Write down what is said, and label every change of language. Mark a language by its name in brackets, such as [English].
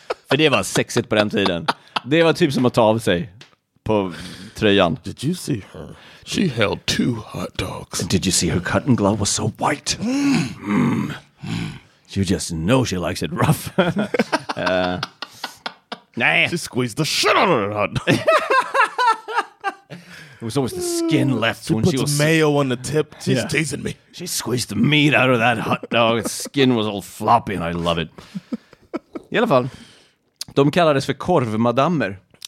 [Swedish] För det var sexigt på den tiden. Det var typ som att ta av sig på tröjan. [English] Did you see her? She held 2 hot dogs. And did you see her cotton glove was so white? You just know she likes it rough. She squeezed the shit out of her hot dog. It was always the skin left when she was... She put the mayo on the tip. She's teasing me. She squeezed the meat out of that hot dog. Skin was all floppy and I love it. [Swedish] I alla fall, de kallades för korvmadammer.